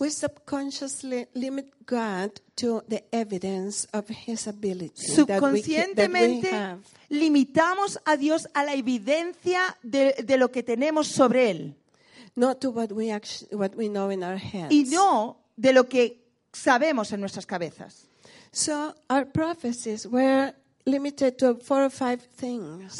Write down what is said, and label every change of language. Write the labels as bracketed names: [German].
[English] we subconsciously limit God to the evidence of his ability. [Spanish] Subconscientemente limitamos a Dios a la evidencia de lo que tenemos sobre él. [English] Not to what we know in our heads. [Spanish] Y no de lo que sabemos en nuestras cabezas. [English] So our prophecies were limited to 4 or 5 things.